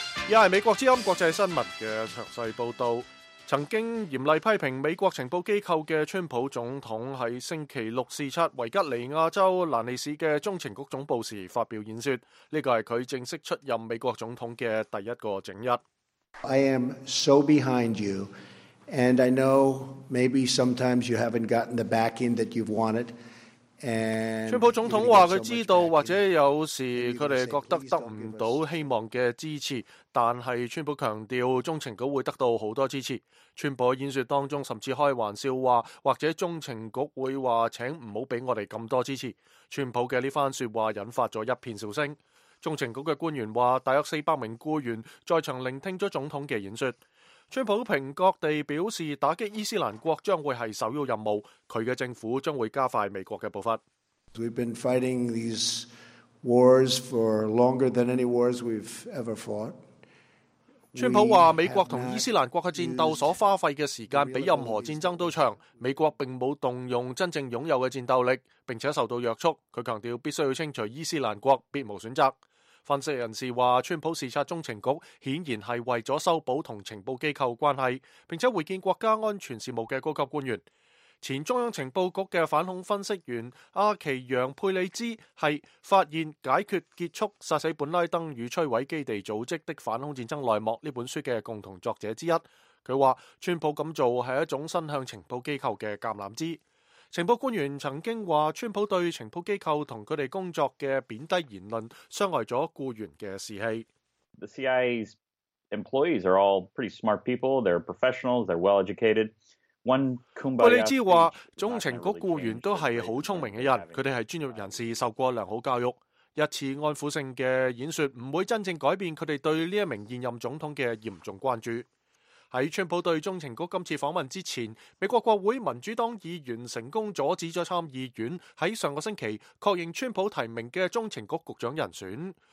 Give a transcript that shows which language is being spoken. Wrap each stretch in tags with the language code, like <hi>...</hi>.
<zh>又是美国之音国际新闻的详细报道。曾经严厉批评美国情报机构的川普总统在星期六视察维吉尼亚州兰利市的中情局总部时发表演说，这个是他正式出任美国总统的第一个整日。</zh> <en>I am so behind you, and I know maybe sometimes you haven't gotten the backing that you've wanted.</en> <zh>川普总统说他知道或者有时他们觉得得不到希望的支持，但是川普强调中情局会得到很多支持。川普演说当中甚至开玩笑说，或者中情局会说请不要给我们那么多支持。川普的这番说话引发了一片笑声。中情局的官员说大约400名雇员在场聆听了总统的演说。川普平格地表示打击伊斯兰国将会是首要任务，他的政府将会加快美国的步伐。</zh> <en>We've been fighting these wars for longer than any wars we've ever fought.</en> <zh>川普说美国和伊斯兰国的战斗所花费的时间比任何战争都长，美国并没有动用真正拥有的战斗力，并且受到约束。他强调必须要清除伊斯兰国，别无选择。分析人士说，川普视察中情局显然是为了修补同情报机构关系，并且会见国家安全事务的高级官员。前中央情报局的反恐分析员阿奇扬佩里兹是发现解决结束杀死本拉登与摧毁基地组织的反恐战争内幕这本书的共同作者之一。他说川普这样做是一种伸向情报机构的橄榄枝。情报官员曾经说川普对情报机构和他们工作的贬低言论伤害了雇员的士气。</zh> <en>The CIA's employees are all pretty smart people. They're professionals. They're well educated.</en> <zh>佩里兹说中情局雇员都是很聪明的人，他们是专业人士，受过良好教育。一次安抚性的演说不会真正改变他们对这名现任总统的严重关注。在川普对中情局今次访问之前，美国国会民主党议员成功阻止了参议院在上个星期确认川普提名的中情局局长人选。</zh>